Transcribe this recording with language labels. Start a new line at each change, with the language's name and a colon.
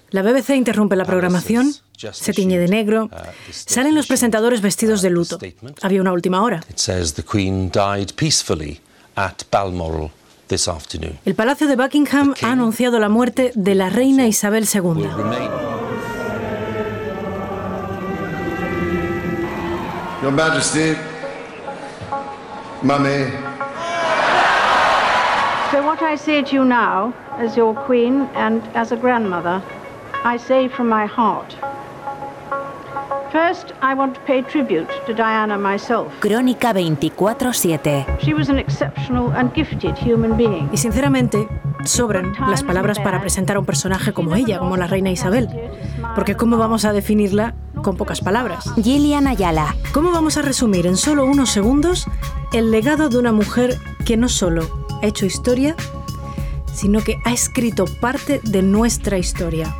Spanish: La BBC interrumpe la programación, se tiñe de negro, salen los presentadores vestidos de luto. Había una última hora.
English: It says the Queen died peacefully at Balmoral. This afternoon.
Spanish: El Palacio de Buckingham ha anunciado la muerte de la reina Isabel II.
English: Your Majesty, Mummy. So what I say to you now, as your queen and as a grandmother, I say from my heart. First, I want to pay tribute to Diana myself.
Spanish: Crónica 24/7.
English: She was an exceptional and gifted human being.
Spanish: Y sinceramente, sobran las palabras para presentar a un personaje como ella, como la reina Isabel. Porque ¿cómo vamos a definirla con pocas palabras? Gillian Ayala. ¿Cómo vamos a resumir en solo unos segundos el legado de una mujer que no solo ha hecho historia, sino que ha escrito parte de nuestra historia?